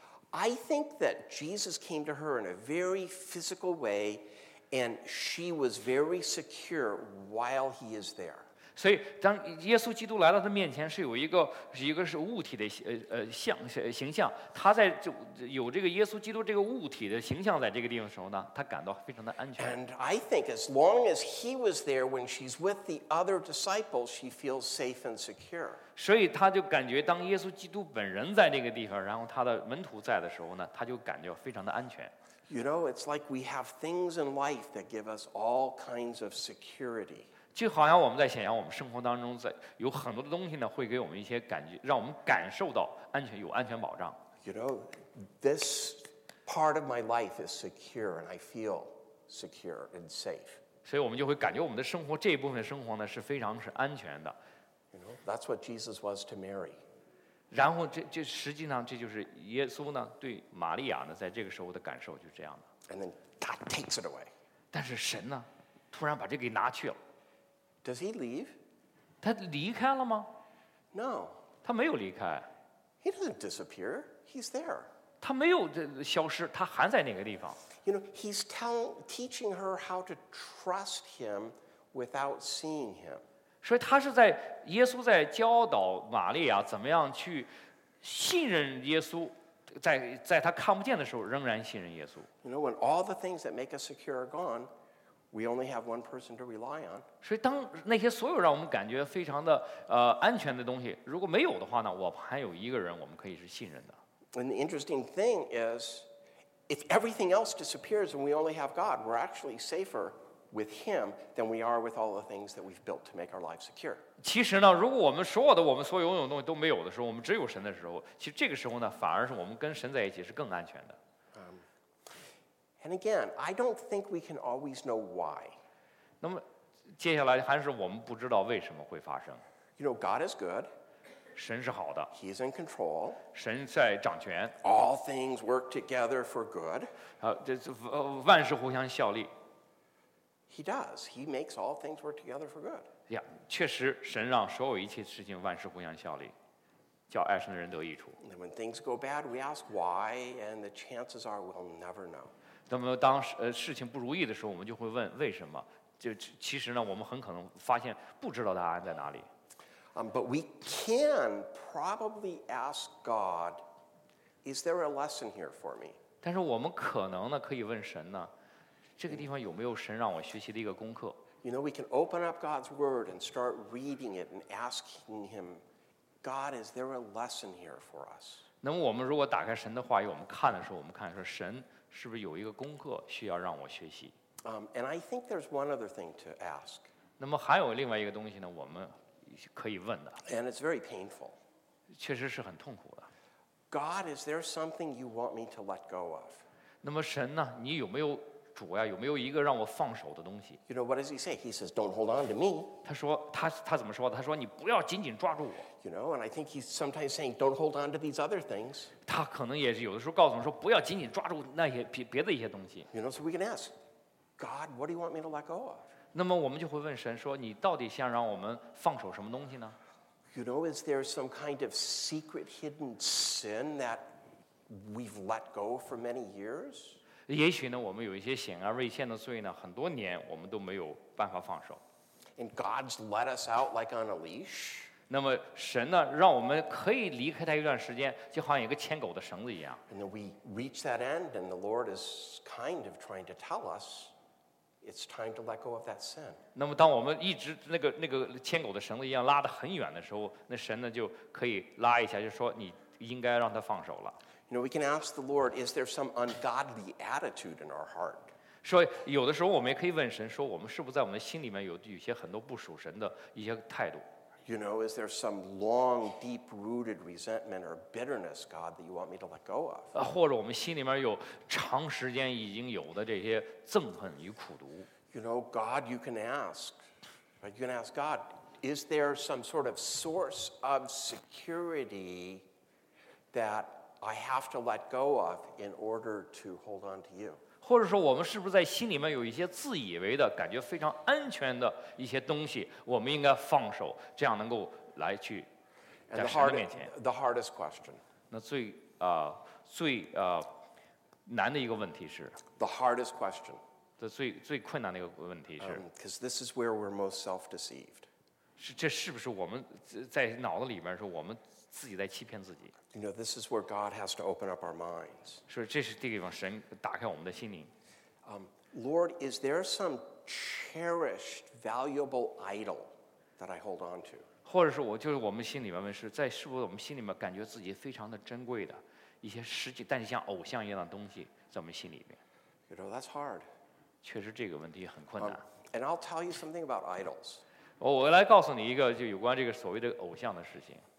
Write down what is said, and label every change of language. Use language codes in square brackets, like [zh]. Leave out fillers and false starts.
[en] I think that Jesus came to her in a very physical way, and she was very secure while he is there. [zh] 所以当耶稣基督来到他面前，是有一个是物体的形象，他在有这个耶稣基督这个物体的形象在这个地方的时候呢，他感到非常的安全。 [en] And I think as long as he was there when she's with the other disciples, she feels safe and secure. [zh] 所以他就感觉当耶稣基督本人在这个地方，然后他的门徒在的时候呢，他就感觉非常的安全。 [en] You know, it's like we have things in life that give us all kinds of security. [zh] 就好像我们在显扬我们生活当中在有很多的东西呢，会给我们一些感觉，让我们感受到安全，有安全保障。 [en] You know, this part of my life is secure and I feel secure and safe. [zh] 所以我们就会感觉我们的生活这一部分生活呢是非常是安全的。 [en] That's what Jesus was to Mary. [zh] 然后这实际上这就是耶稣呢对玛利亚呢在这个时候的感受就是这样的。 [en] And then God takes it away. [zh] 但是神呢突然把这给拿去了。 [en] Does he leave? [zh] 他离开了吗？ [en] No. [zh] 他没有离开。 [en] He doesn't disappear. He's there. [zh] 他没有消失，他还在那个地方。 [en] You know, he's teaching her how to trust him without seeing him. [zh] 所以他是在耶稣在教导玛利亚怎么样去信任耶稣，在他看不见的时候仍然信任耶稣。 [en] You know, when all the things that make us secure are gone, we only have one person to rely on. [zh] 所以当那些所有让我们感觉非常的安全的东西如果没有的话呢，我还有一个人我们可以是信任的。 [en] And the interesting thing is, if everything else disappears and we only have God, we're actually safer. With him, than we are with all the things that we've built to make our lives secure. [zh] 其实呢，如果我们所有的我们所拥有的东西都没有的时候，我们只有神的时候，其实这个时候呢，反而是我们跟神在一起是更安全的。 [en] And again, I don't think we can always know why. [zh] 那么，接下来还是我们不知道为什么会发生。 [en] You know, God is good. [zh] 神是好的。 [en] He's in control. [zh] 神在掌权。 [en] All things work together for good. [zh] 万事互相效力。 [en] He does. He makes all things work together for good. [zh] Yeah, 确实神让所有一切事情万事互相效力，叫爱神的人得益处。 [en] And when things go bad, we ask why, and the chances are we'll never know. [zh] 那么当事情不如意的时候，我们就会问为什么？就其实呢，我们很可能发现不知道答案在哪里。 [en] But we can probably ask God, is there a lesson here for me? [zh] 但是我们可能呢，可以问神呢。这个地方有没有神让我学习的一个功课 [en] ？You know, we can open up God's Word and start reading it and asking Him, God, is there a lesson here for us? [zh] 那么我们如果打开神的话语，我们看的时候，我们看说神是不是有一个功课需要让我学习 [en] ？And I think there's one other thing to ask. [zh] 那么还有另外一个东西呢，我们可以问的。 [en] And it's very painful. [zh] 确实是很痛苦的。 [en] God, is there something you want me to let go of? [zh] 那么神呢？你有没有？主呀，有没有一个让我放手的东西 [en] ？You know what does he say? He says, "Don't hold on to me." [zh] 他怎么说？他说你不要紧紧抓住我。 [en] You know, and I think he's sometimes saying, "Don't hold on to these other things." [zh] 他可能也是有的时候告诉我们说不要紧紧抓住那些别的一些东西。 [en] You know, so we can ask God, "What do you want me to let go of?" [zh] 那么我们就会问神说，你到底想让我们放手什么东西呢 [en] ？You know, is there some kind of secret hidden sin that we've let go for many years? [zh] 也许呢，我们有一些显而未见的罪呢，很多年我们都没有办法放手。 [en] And God's let us out like on a leash. [zh] 那么神呢，让我们可以离开他一段时间，就好像一个牵狗的绳子一样。 [en] And then we reach that end, and the Lord is kind of trying to tell us it's time to let go of that sin. [zh] 那么当我们一直那个牵狗的绳子一样拉得很远的时候，那神呢就可以拉一下，就说你应该让他放手了。 [en] You know, we can ask the Lord, is there some ungodly attitude in our heart? [zh] 说有的时候我们也可以问神，说我们是不是在我们心里面有些很多不属神的一些态度。 [en] You know, is there some long, deep-rooted resentment or bitterness, God, that you want me to let go of? [zh] 或者我们心里面有长时间已经有的这些憎恨与苦毒。 [en] You know, God, you can ask, but you can ask God, is there some sort of source of security that I have to let go of in order to hold on to you. [zh] 或者说，我们是不是在心里面有一些自以为的感觉非常安全的一些东西，我们应该放手，这样能够来去在神的面前。 [en] The hardest question. [zh] 那最啊、最啊、难的一个问题是。 [en] The hardest question. [zh] 这最困难的一个问题是。 [en] Because this is where we're most self-deceived. [zh] 是这是不是我们在脑子里面是我们自己在欺骗自己？ [en] You know, this is where God has to open up our minds. [zh] 是这是这个地方神打开我们的心灵。 [en] Lord, is there some cherished, valuable idol that I hold on to? [zh] 或者是我就是我们心里面问是在是不是我们心里面感觉自己非常的珍贵的一些实际但是像偶像一样的东西在我们心里面。 [en] You know, that's hard. [zh] 确实这个问题很困难。 [en] And I'll tell you something about idols. [zh] 我来告诉你一个就有关这个所谓的偶像的事情。